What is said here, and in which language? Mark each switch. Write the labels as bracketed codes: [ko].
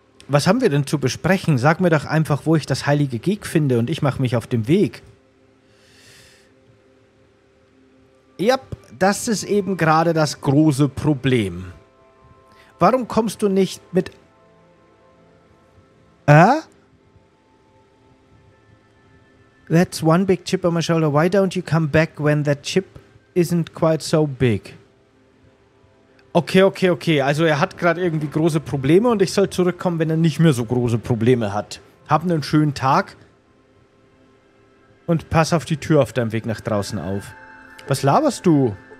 [de] Was haben wir denn zu besprechen? Sag mir doch einfach, wo ich das heilige Geg finde und ich mache mich auf den Weg. Ja, das ist eben gerade das große Problem. Warum kommst du nicht mit... [en] That's one big chip on my shoulder. Why don't you come back when that chip isn't quite so big? [de] Okay. Also er hat gerade irgendwie große Probleme und ich soll zurückkommen, wenn er nicht mehr so große Probleme hat. Hab einen schönen Tag. Und pass auf die Tür auf deinem Weg nach draußen auf. Was laberst du?